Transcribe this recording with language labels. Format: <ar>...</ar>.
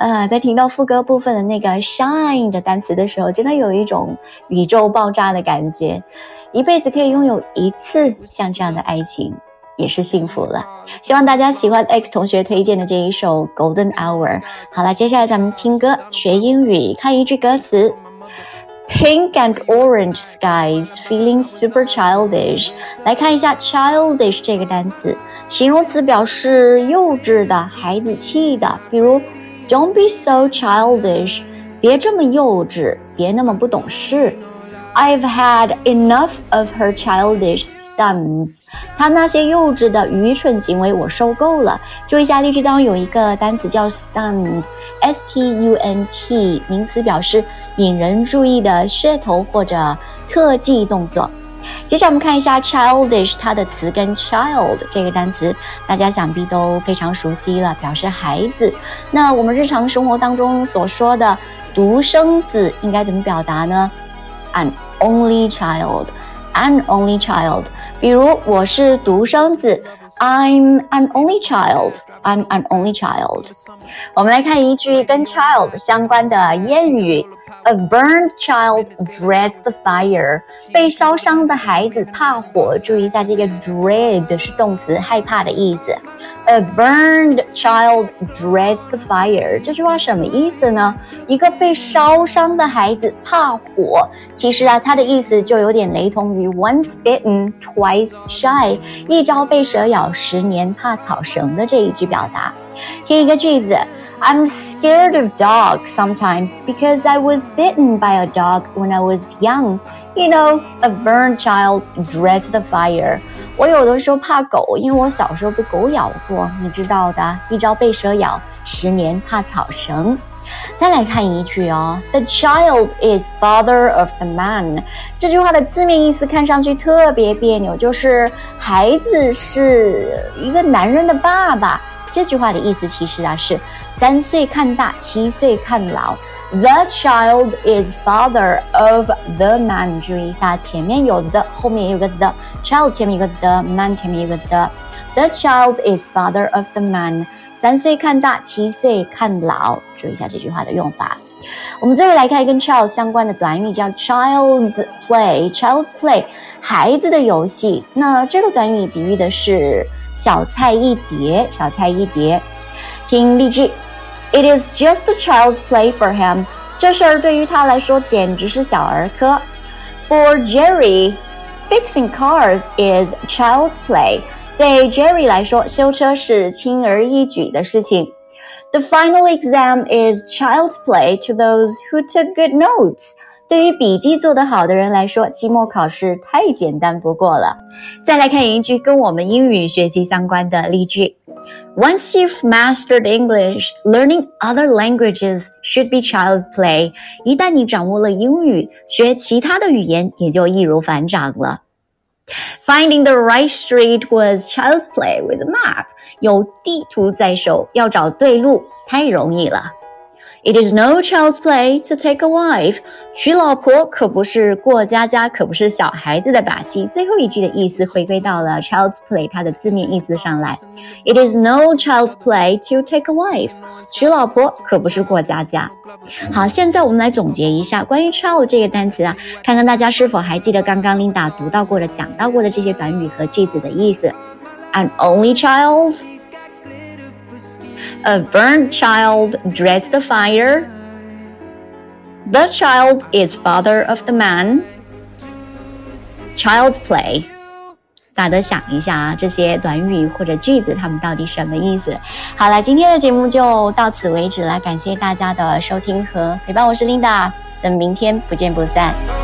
<zh>在听到副歌部分的那个 shine 的单词的时候，真的有一种宇宙爆炸的感觉。一辈子可以拥有一次像这样的爱情，也是幸福了。希望大家喜欢 X 同学推荐的这一首 Golden Hour。好了，接下来咱们听歌学英语，看一句歌词。</zh> <en>Pink and orange skies, feeling super childish.</en> <zh>来看一下 childish 这个单词，形容词表示幼稚的、孩子气的，比如</zh> <en>Don't be so childish.</en> <zh>别这么幼稚，别那么不懂事。</zh> <en>I've had enough of her childish stunts.</en> <zh>她那些幼稚的愚蠢行为我受够了。注意一下例句当中有一个单词叫 stunt, S-T-U-N-T, 名词表示引人注意的噱头或者特技动作。接下来我们看一下 childish 它的词根 child 这个单词，大家想必都非常熟悉了，表示孩子。那我们日常生活当中所说的独生子应该怎么表达呢？</zh> <en>An only child, an only child.</en> <zh>比如我是独生子 ，</zh> <en>I'm an only child. I'm an only child.</en> <zh>我们来看一句跟 child 相关的谚语</zh> <en>：A burned child dreads the fire.</en> <zh>被烧伤的孩子怕火。注意一下，这个 dread 是动词，害怕的意思。</zh> <en>A burned child dreads the fire.</en> <zh>这句话什么意思呢？一个被烧伤的孩子怕火。其实啊，它的意思就有点雷同于</zh> <en>once bitten, twice shy.</en> <zh>一朝被蛇咬，十年怕草绳的这一句表达。听一个句子。</zh> <en>I'm scared of dogs sometimes because I was bitten by a dog when I was young. You know, a burned child dreads the fire.</en> <zh>我有的时候怕狗，因为我小时候被狗咬过，你知道的，一朝被蛇咬，十年怕草绳。再来看一句哦，</zh> <en>The child is father of the man.</en> <zh>这句话的字面意思看上去特别别扭，就是孩子是一个男人的爸爸。这句话的意思其实啊是三岁看大，七岁看老。</zh> <en>The child is father of the man.</en> <zh>注意一下，前面有 the， 后面有个 the child， 前面有个 the man， 前面有个 the。</zh> <en>The child is father of the man.</en> <zh>三岁看大，七岁看老。注意一下这句话的用法。我们最后来看跟 child 相关的短语，叫 child's play。 Child's play， 孩子的游戏。那这个短语比喻的是小菜一碟，小菜一碟。听例句</zh> <en>，It is just a child's play for him.</en> <zh>这事儿对于他来说简直是小儿科。</zh> <en>For Jerry, fixing cars is child's play.</en> <zh>对 Jerry 来说，修车是轻而易举的事情。</zh> <en>The final exam is child's play to those who took good notes.</en> <zh>对于笔记做得好的人来说，期末考试太简单不过了。再来看一句跟我们英语学习相关的例句。</zh> <en>Once you've mastered English, learning other languages should be child's play.</en> <zh>一旦你掌握了英语，学其他的语言也就易如反掌了。</zh> <en>Finding the right street was child's play with a map.</en> <zh>有地图在手，要找对路太容易了。</zh> <en>It is no child's play to take a wife.</en> <zh>娶老婆可不是过家家，可不是小孩子的把戏。最后一句的意思回归到了 child's play 它的字面意思上来。</zh> <en>It is no child's play to take a wife.</en> <zh>娶老婆可不是过家家。好，现在我们来总结一下关于 child 这个单词啊，看看大家是否还记得刚刚 Linda 读到过的、讲到过的这些短语和句子的意思。</zh> <en>An only child. A burnt child dreads the fire. The child is father of the man. Child's play.</en> <zh>大家想一下啊，这些短语或者句子它们到底什么意思？好了，今天的节目就到此为止了，感谢大家的收听和陪伴，我是 Linda， 咱们明天不见不散。</zh>